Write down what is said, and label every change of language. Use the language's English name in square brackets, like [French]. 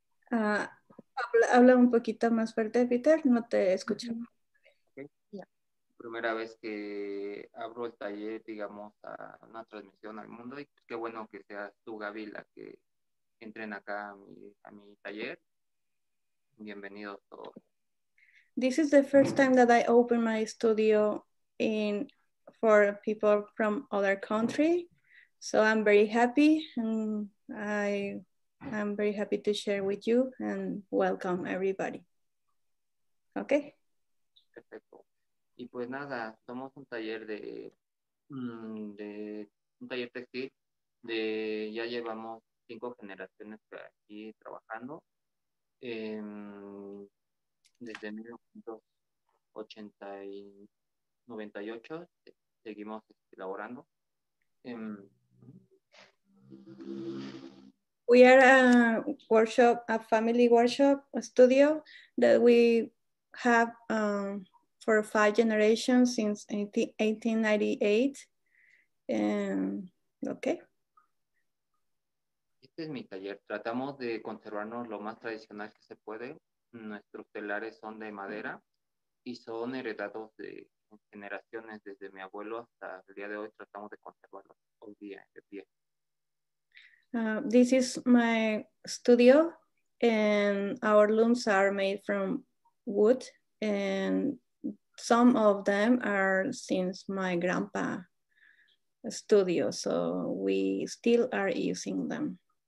[Spanish] Habla un poquito más fuerte, Peter. No te escucho. Okay. Yeah. Primera vez que abro el taller, digamos, a una transmisión al mundo. Y qué bueno que seas tú, Gaby, la que entren acá a mi taller. Bienvenidos todos. [English] This is the first time that I open my studio in for people from other country. So I'm very happy, and I am very happy to share with you and welcome everybody. Okay. [Spanish] Perfecto. Y pues nada, somos un taller de un taller textil de ya llevamos 5 generaciones aquí trabajando. Desde 1998 seguimos elaborando. [English] We are a family workshop studio that we have for 5 generations since 1898. [Spanish] Este es mi taller. Tratamos de conservarnos lo más tradicional que se puede. Nuestros telares son de madera y son heredados de generaciones desde mi abuelo hasta el día de hoy. Tratamos de conservarlos hoy día de pie. [English] This is my studio and our looms are made from wood and some of them are since my grandpa's studio, so we still are using them.